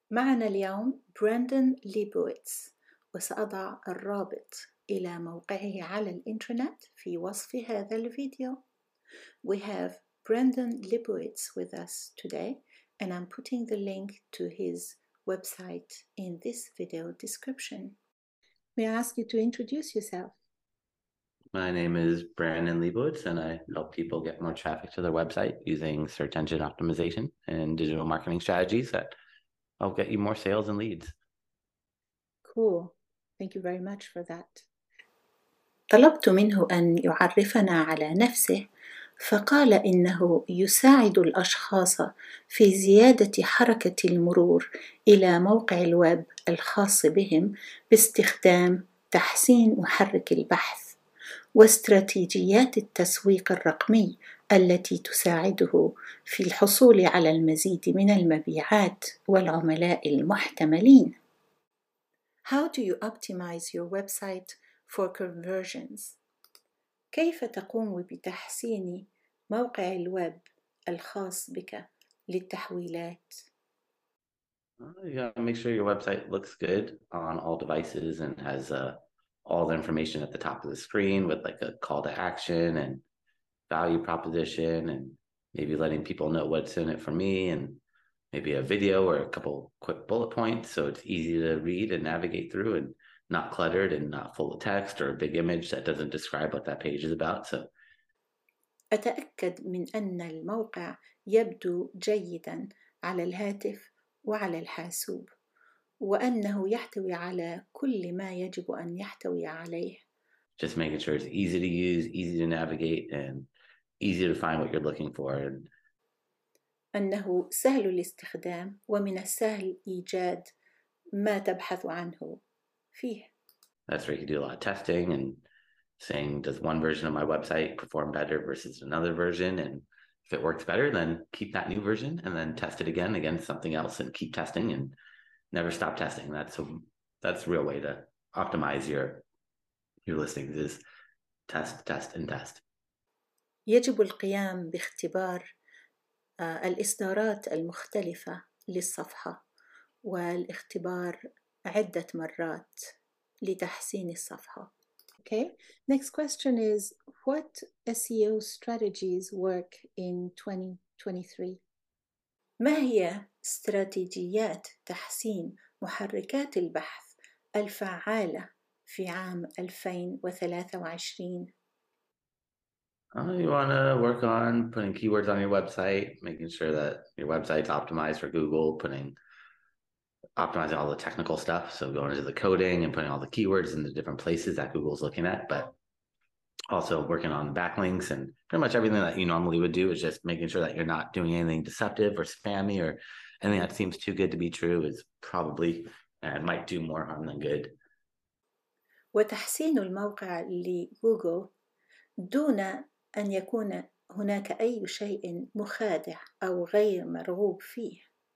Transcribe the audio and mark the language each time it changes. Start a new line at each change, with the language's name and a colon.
Arabic: معنا اليوم براندن ليبويتس، وسأضع الرابط إلى موقعه على الإنترنت في وصف هذا الفيديو.
English: We have Brandon Liebowitz with us today, and I'm putting the link to his website in this video description. May I ask you to introduce yourself? My name is Brandon Liebowitz, and I help people get more traffic to their website using search engine optimization and digital marketing strategies that help get you more sales and leads. Cool. Thank you very much for that.
Arabic: طلبت منه أن يعرفنا على نفسه، فقال إنه يساعد الأشخاص في زيادة حركة المرور إلى موقع الويب الخاص بهم باستخدام تحسين محرك البحث واستراتيجيات التسويق الرقمي التي تساعده في الحصول على المزيد من المبيعات والعملاء المحتملين.
English: How do you optimize your website for conversions?
Arabic: كيف تقوم بتحسين موقع الويب الخاص بك للتحويلات؟
English: You gotta make sure your website looks good on all devices and has all the information at the top of the screen with like a call to action and value proposition and maybe letting people know what's in it for me and maybe a video or a couple quick bullet points so it's easy to read and navigate through and not cluttered and not full of text or a big image that doesn't describe what that page is about. So
Arabic: أتأكد من أن الموقع يبدو جيداً على الهاتف وعلى الحاسوب، وأنه يحتوي على كل ما يجب أن يحتوي عليه.
English: Just making sure it's easy to use, easy to navigate, and easy to find what you're looking for.
Arabic: أنه سهل الاستخدام ومن السهل إيجاد ما تبحث عنه فيه.
English: That's where you can do a lot of testing and saying, does one version of my website perform better versus another version? And if it works better, then keep that new version and then test it again against something else and keep testing and never stop testing. That's a real way to optimize your listings is test, test, and test.
Arabic: يجب القيام باختبار الإصدارات المختلفة للصفحة والاختبار عدة مرات لتحسين الصفحة.
English: Okay, next question is, what SEO strategies work in 2023?
Arabic: ما هي استراتيجيات تحسين محركات البحث الفعالة في عام 2023؟
English: You want to work on putting keywords on your website, making sure that your website's optimized for Google, optimizing all the technical stuff, so going into the coding and putting all the keywords in the different places that Google's looking at, but also working on backlinks and pretty much everything that you normally would do is just making sure that you're not doing anything deceptive or spammy or anything that seems too good to be true is probably and might do more harm than good.
Arabic: وتحسين الموقع لجوجل دون أن يكون هناك أي شيء مخادع أو غير مرغوب فيه.